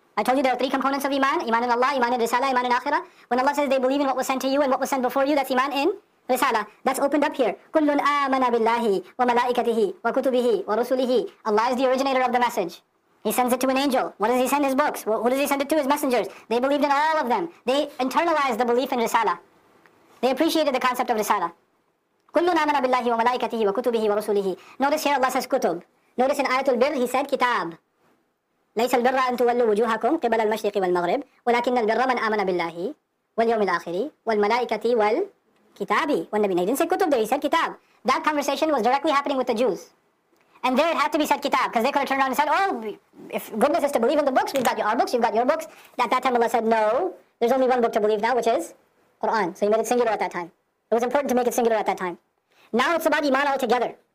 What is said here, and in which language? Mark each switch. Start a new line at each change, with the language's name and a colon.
English: I told you there are three components of iman. Iman in Allah, iman in risala, iman in akhirah. When Allah says they believe in what was sent to you and what was sent before you, that's iman in risala. That's opened up here.
Arabic: كُلٌ آمَنَ بِاللَّهِ وَمَلَائِكَتِهِ وَكُتُبِهِ وَرُسُلِهِ
English: Allah is the originator of the message. He sends it to an angel. What does he send? His books. Who does he send it to? His messengers. They believed in all of them. They internalized the belief in risala. They appreciated the concept of risala.
Arabic: كُلُّ نَامَنَ بِاللَّهِ وَمَلَائِكَتِهِ وَكُتُبِهِ وَرُسُلِهِ
English: Notice here Allah says kutub. Notice in ayatul birr he said kitab.
Arabic: لَيْسَ الْبِرَّ أَن تُوَلُّوا وُجُوهَكُمْ قِبَلَ الْمَشْرِقِ وَالْمَغْرِبِ وَلَكِنَّ الْبِرَّ مَنْ آمَنَ بِاللَّهِ وَالْيَوْمِ الْآخِرِ وَالْمَلَائِكَةِ وَالْكِتَابِ وَالنَّبِيِّينَ
English: He didn't say kutub there, he said kitab. That conversation was directly happening with the Jews. And there it had to be said kitab, because they could have turned around and said, oh, if goodness is to believe in the books, we've got our books, you've got your books. At that time Allah said, no, there's only one book to believe now, which is Quran. So he made it singular at that time. It was important to make it singular at that time. Now it's about iman altogether.